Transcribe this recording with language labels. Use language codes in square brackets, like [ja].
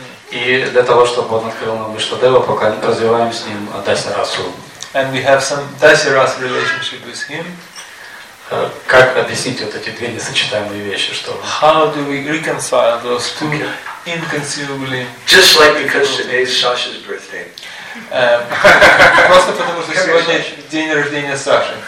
[ru] И для того, чтобы он открыл нам Иштадева, пока не развиваем с ним Дасирасу. [en] And we have some Dasiras relationship with him. [ru] Как объяснить вот эти две несочетаемые вещи, что? [en] How do we reconcile those two inconceivably? Just like because today is Sasha's birthday. [ru] Просто потому что сегодня день рождения Саши.